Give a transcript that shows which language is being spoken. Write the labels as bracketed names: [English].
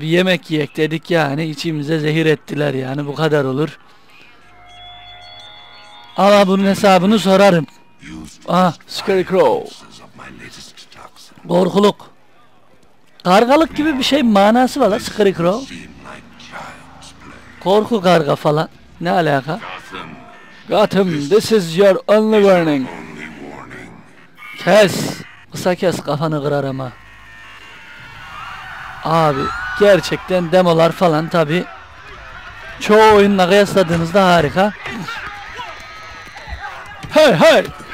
[Turkish] Bir yemek yiyek dedik yani. İçimize zehir ettiler yani. Bu kadar olur. Ama bunun hesabını sorarım. Aha! Scarecrow! Korkuluk! Kargalık gibi bir şey manası var lan Scarecrow. Korku karga falan. Ne alaka? [English] Gotham, this is your only warning. [Turkish] Kes. Kısa kes, kafanı kırar ama. Abi gerçekten demolar falan tabi. Çoğu oyunla kıyasladığınızda harika. Hey hey.